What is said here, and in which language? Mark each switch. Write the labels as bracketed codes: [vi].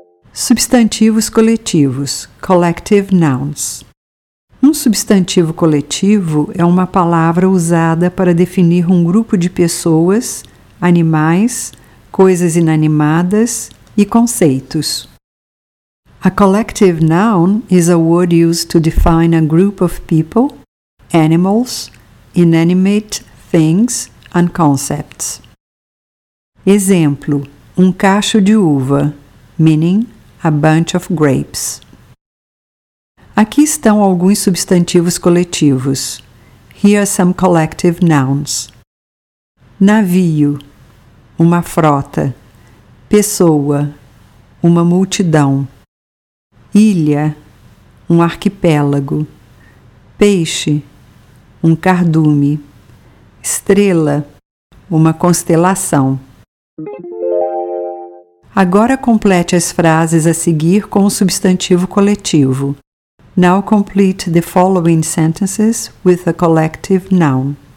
[pt] Substantivos coletivos, collective nouns. Um substantivo coletivo é uma palavra usada para definir um grupo de pessoas, animais, coisas inanimadas e conceitos. [en] A collective noun is a word used to define a group of people, animals, inanimate things and concepts. [pt] Exemplo, um cacho de uva, [en] meaning a bunch of grapes. [pt] Aqui estão alguns substantivos coletivos. [en] Here are some collective nouns. [pt] Navio, uma frota. Pessoa, uma multidão. Ilha, um arquipélago. Peixe, um cardume. Estrela, uma constelação. Agora complete as frases a seguir com o substantivo coletivo. [en] Now complete the following sentences with a collective noun.